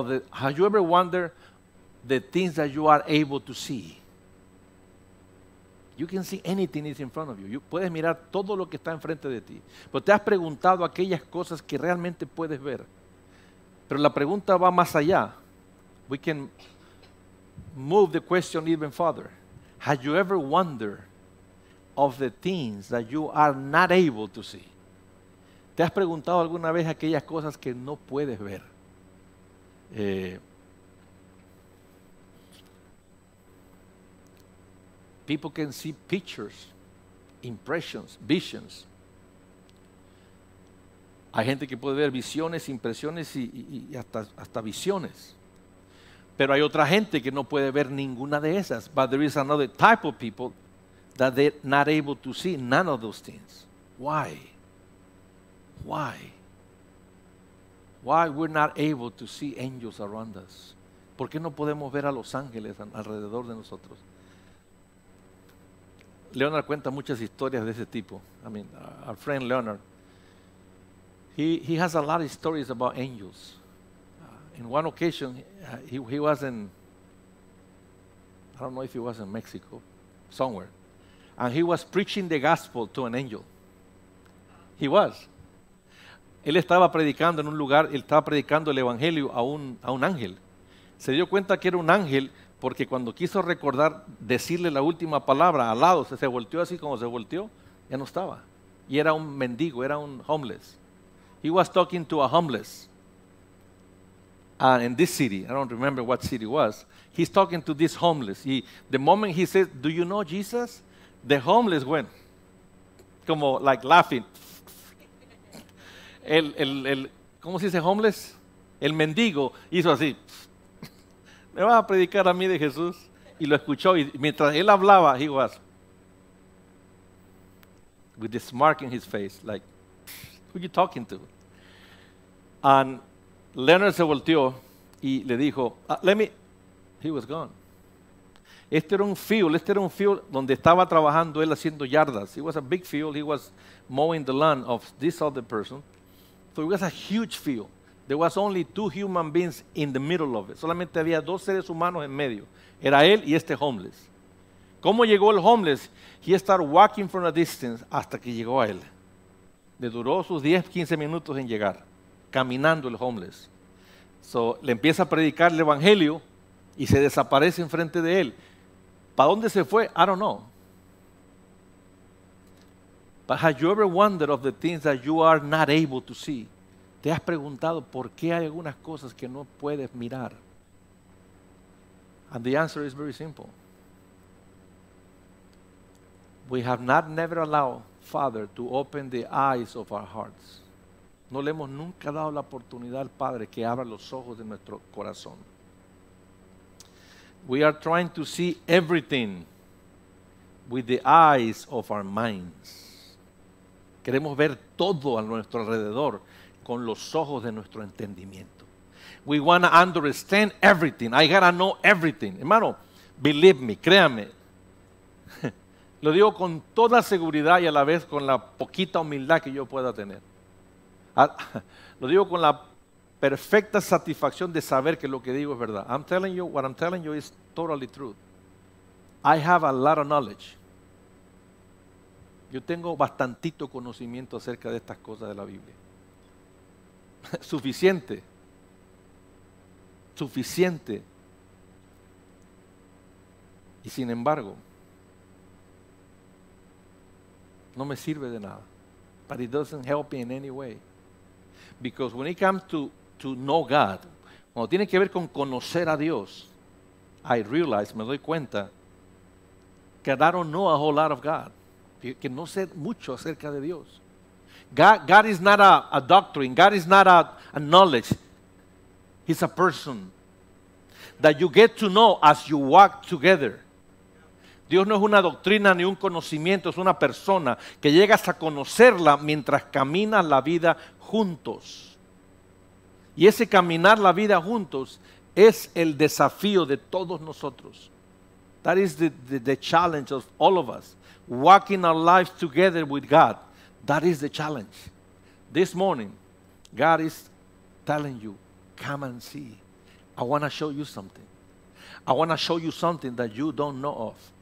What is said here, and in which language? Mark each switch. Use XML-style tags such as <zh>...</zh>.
<en>Have you ever wondered the things that you are able to see? You can see anything that is in front of you.</en> <es>Puedes mirar todo lo que está enfrente de ti. Pero te has preguntado aquellas cosas que realmente puedes ver. Pero la pregunta va más allá.</es> <en>We can move the question even further. Have you ever wondered of the things that you are not able to see?</en> <es>¿Te has preguntado alguna vez aquellas cosas que no puedes ver?</es> <en>People can see pictures, impressions, visions.</en> <es>Hay gente que puede ver visiones, impresiones y hasta visiones. Pero hay otra gente que no puede ver ninguna de esas.</es> <en>But there is another type of people that they're not able to see none of those things. Why? Why? Why we're not able to see angels around us?</en> <es>¿Por qué no podemos ver a los ángeles alrededor de nosotros? Leonard cuenta muchas historias de ese tipo.</es> <en>I mean, our friend Leonard, he has a lot of stories about angels. In one occasion, he was in, I don't know if he was in Mexico, somewhere, and he was preaching the gospel to an angel. He was.</en> <es>Él estaba predicando en un lugar, él estaba predicando el evangelio a un ángel. Se dio cuenta que era un ángel porque cuando quiso recordar decirle la última palabra al lado, se volteó así como se volteó, ya no estaba. Y era un mendigo, era un homeless.</es> <en>He was talking to a homeless. In this city, I don't remember what city it was. He's talking to this homeless. The moment he says, "Do you know Jesus?" The homeless went, como like laughing.</en> <es>El ¿cómo se dice homeless? El mendigo hizo así. ¿Me vas a predicar a mí de Jesús? Y lo escuchó. Y mientras él hablaba,</es> <en>he was with this mark in his face, like, "Who are you talking to?"</en> <es>And Leonard se volteó y le dijo,</es> <en>he was gone.</en> <es>Este era un field donde estaba trabajando él haciendo yardas.</es> <en>It was a big field. He was mowing the land of this other person. So it was a huge field. There was only two human beings in the middle of it.</en> <es>Solamente había dos seres humanos en medio. Era él y este homeless. ¿Cómo llegó el homeless?</es> <en>He started walking from a distance</en> <es>hasta que llegó a él. Le duró sus 10, 15 minutos en llegar. Caminando el homeless. So, le empieza a predicar el evangelio y se desaparece enfrente de él. ¿Para dónde se fue?</es> <en>I don't know. But have you ever wondered of the things that you are not able to see?</en> <es>¿Te has preguntado por qué hay algunas cosas que no puedes mirar?</es> <en>And the answer is very simple. We have never allowed Father to open the eyes of our hearts.</en> <es>No le hemos nunca dado la oportunidad al Padre que abra los ojos de nuestro corazón.</es> <en>We are trying to see everything with the eyes of our minds.</en> <es>Queremos ver todo a nuestro alrededor con los ojos de nuestro entendimiento.</es> <en>We want to understand everything. I gotta know everything.</en> <es>Hermano,</es> <en>believe me,</en> <es>créame. Lo digo con toda seguridad y a la vez con la poquita humildad que yo pueda tener. Lo digo con la perfecta satisfacción de saber que lo que digo es verdad.</es> <en>I'm telling you, what I'm telling you is totally true. I have a lot of knowledge.</en> <es>Yo tengo bastantito conocimiento acerca de estas cosas de la Biblia. Suficiente. Suficiente. Y sin embargo, no me sirve de nada.</es> <en>But it doesn't help me in any way. Because when it comes to know God,</en> <es>cuando tiene que ver con conocer a Dios,</es> <en>I realize,</en> <es>me doy cuenta, que</es> <en>I don't know a whole lot of God.</en> <es>Que no sé mucho acerca de Dios.</es> <en>God is not a doctrine. God is not a knowledge. He's a person that you get to know as you walk together.</en> <es>Dios no es una doctrina ni un conocimiento, es una persona que llegas a conocerla mientras caminas la vida juntos. Y ese caminar la vida juntos es el desafío de todos nosotros.</es> <en>That is the challenge of all of us. Walking our lives together with God. That is the challenge. This morning, God is telling you, come and see. I want to show you something. I want to show you something that you don't know of.</en>